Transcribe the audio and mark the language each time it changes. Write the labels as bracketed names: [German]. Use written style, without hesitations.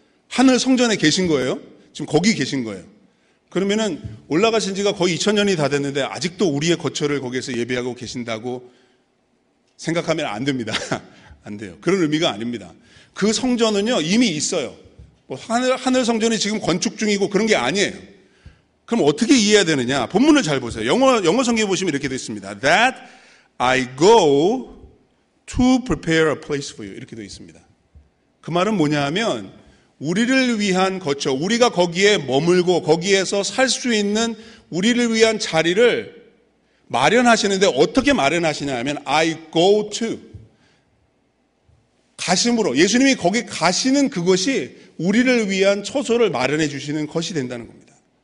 [Korean] 하늘 성전에 계신 거예요. 지금 거기 계신 거예요. 그러면은 올라가신 지가 거의 2000년이 다 됐는데 아직도 우리의 거처를 거기에서 예배하고 계신다고 생각하면 안 됩니다. 안 돼요. 그런 의미가 아닙니다. 그 성전은요, 이미 있어요. 뭐 하늘 성전이 지금 건축 중이고 그런 게 아니에요. 그럼 어떻게 이해해야 되느냐? 본문을 잘 보세요. 영어 성경 보시면 이렇게 되어 있습니다. [English] That I go to prepare a place for you. [Korean] 이렇게 되어 있습니다. 그 말은 뭐냐 하면 우리를 위한 거처, 우리가 거기에 머물고 거기에서 살 수 있는 우리를 위한 자리를 마련하시는데 어떻게 마련하시냐 하면 [English] I go to [Korean] 가심으로 예수님이 거기 가시는 그것이 우리를 위한 처소를 마련해 주시는 것이 된다는 겁니다.